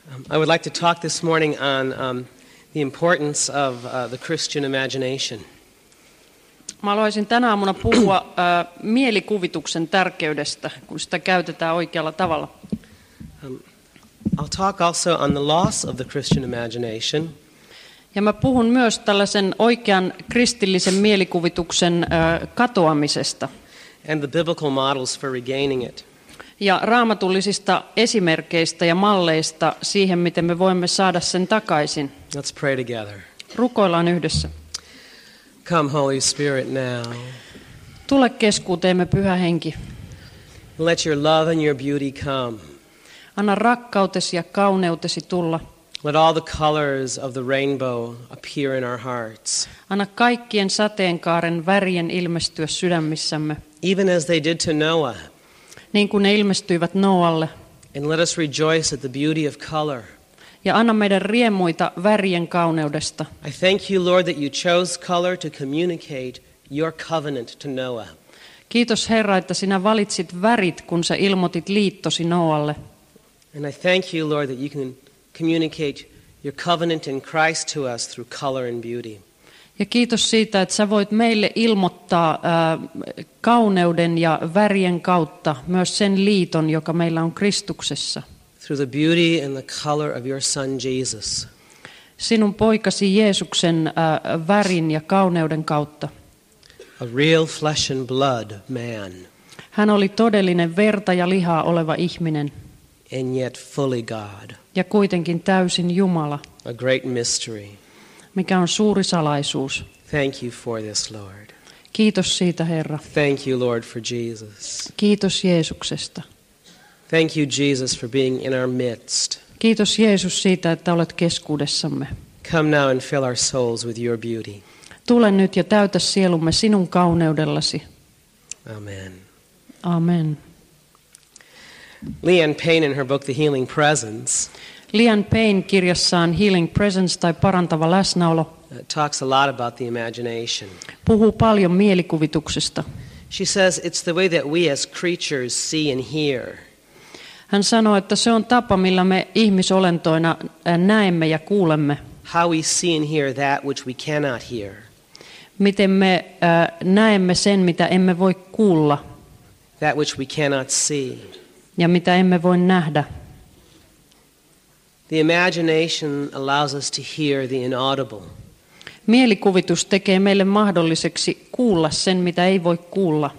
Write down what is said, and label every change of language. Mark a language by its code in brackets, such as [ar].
[en] I would like to talk this morning on the importance of the Christian imagination. [fi] Mä haluaisin tänä aamuna puhua mielikuvituksen tärkeydestä, kun sitä käytetään oikealla tavalla. [en] I'll talk also on the loss of the Christian imagination. [fi] Ja mä puhun myös tällaisen oikean kristillisen mielikuvituksen katoamisesta. [en] And the biblical models for regaining it. [fi] Ja raamatullisista esimerkkeistä ja malleista siihen, miten me voimme saada sen takaisin. [en] Let's pray together. [fi] Rukoillaan yhdessä. [en] Come Holy Spirit now. [fi] Tule keskuuteemme, Pyhä Henki. [en] Let your love and your beauty come. [fi] Anna rakkautesi ja kauneutesi tulla. [en] Let all the colors of the rainbow appear in our hearts. [fi] Anna kaikkien sateenkaaren värien ilmestyä sydämissämme. [en] Even as they did to Noah. [fi] Niin kuin ne ilmestyivät Noalle. [en] And let us rejoice at the beauty of color. [fi] Ja anna meidän riemuita värien kauneudesta. [en] I thank you, Lord, that you chose color to communicate your covenant to Noah. [fi] Kiitos Herra, että sinä valitsit värit, kun sä ilmoitit liittosi Noalle. [en] And I thank you, Lord, that you can communicate your covenant in Christ to us through color and beauty. [fi] Ja kiitos siitä, että sä voit meille ilmoittaa kauneuden ja värien kautta myös sen liiton, joka meillä on Kristuksessa. [en] Through the beauty and the color of your son Jesus. [fi] Sinun poikasi Jeesuksen värin ja kauneuden kautta. [en] A real flesh and blood man. [fi] Hän oli todellinen verta ja lihaa oleva ihminen. [en] And yet fully God. [fi] Ja kuitenkin täysin Jumala. [en] A great mystery. [fi] Mikä on suuri salaisuus. [en] Thank you for this, Lord. [fi] Kiitos siitä, Herra. [en] Thank you, Lord, for Jesus. [fi] Kiitos Jeesuksesta. [en] Thank you, Jesus, for being in our midst. [fi] Kiitos Jeesus siitä, että olet keskuudessamme. [en] Come now and fill our souls with your beauty. [fi] Tule nyt ja täytä sielumme sinun kauneudellasi. [en] Amen. [fi] Amen. [en] Leanne Payne in her book The Healing Presence. [fi] Leanne Payne kirjassaan Healing Presence tai parantava läsnäolo [en] talks a lot about the imagination. [fi] Puhuu paljon mielikuvituksesta. [en] She says it's the way that we as creatures see and hear. [fi] Hän sanoo, että se on tapa, millä me ihmisolentoina näemme ja kuulemme. [en] How we see and hear that which we cannot hear. [fi] Miten me näemme sen, mitä emme voi kuulla. [en] That which we cannot see. [fi] Ja mitä emme voi nähdä. [en] The imagination allows us to hear the inaudible. [fi] Mielikuvitus tekee meille mahdolliseksi kuulla sen, mitä ei voi kuulla.